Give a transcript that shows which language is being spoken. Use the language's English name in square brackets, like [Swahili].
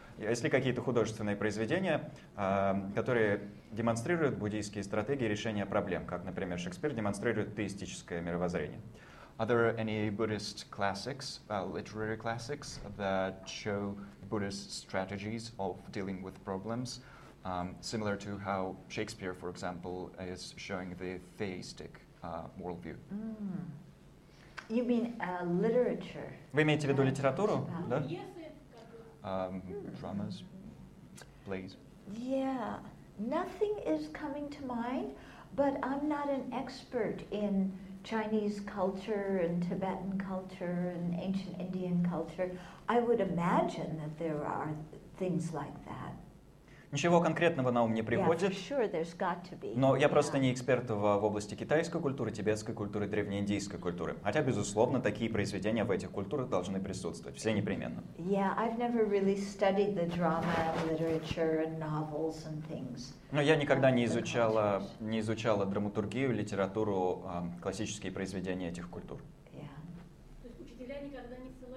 [Russian] Есть ли какие-то художественные произведения, которые демонстрируют буддийские стратегии решения проблем, как, например, Шекспир демонстрирует теистическое мировоззрение? [English] Are there any Buddhist classics, literary classics, that show Buddhist strategies of dealing with problems? Similar to how Shakespeare, for example, is showing the theistic worldview. Mm. You mean literature? [Russian] Вы имеете в виду литературу, да? [English] Dramas, plays. Yeah, nothing is coming to mind, but I'm not an expert in Chinese culture and Tibetan culture and ancient Indian culture. I would imagine that there are things like that. [Russian] Ничего конкретного на ум не приходит, [English] yeah, sure, there's got to be. [Russian] Но я просто не эксперт в области китайской культуры, тибетской культуры, древнеиндийской культуры. Хотя, безусловно, такие произведения в этих культурах должны присутствовать, все непременно. [English] Yeah, I've never really studied the drama, literature and novels and things. [Russian] Но я никогда не изучала драматургию, литературу, классические произведения этих культур. [English] Yeah. [Russian] То есть учителя никогда не...